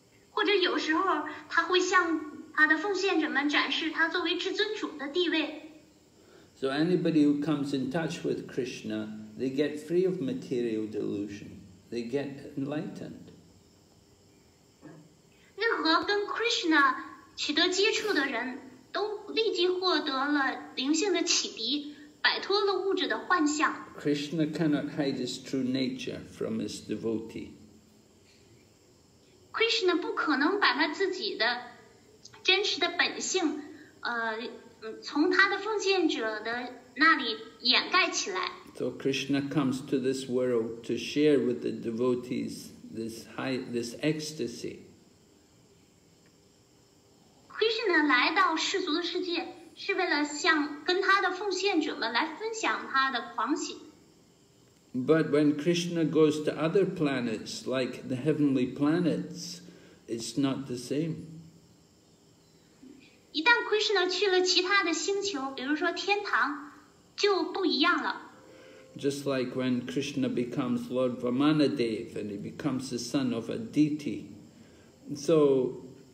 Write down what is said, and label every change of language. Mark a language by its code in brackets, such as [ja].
[zh] 或者有时候他会向他的奉献者们展示他作为至尊主的地位。 [en] So anybody who comes in touch with Krishna, they get free of material delusion. They get enlightened. [zh] 任何跟 Krishna 取得接触的人都立即获得了灵性的启迪。摆脱了物质的幻象。 [en] Krishna cannot hide his true nature from his devotee. [zh] Krishna 不可能把他自己的真实的本性，从他的奉献者的那里掩盖起来。 [en] So Krishna comes to this world to share with the devotees this ecstasy. [zh] Krishna 来到世俗的世界。是为了向跟他的奉献者们来分享他的狂喜。 [en] But when Krishna goes to other planets, like the heavenly planets, it's not the same. [zh] 一旦 Krishna 去了其他的星球，比如说天堂，就不一样了。 [en] Just like when Krishna becomes Lord Vamanadeva and he becomes the son of Aditi, so.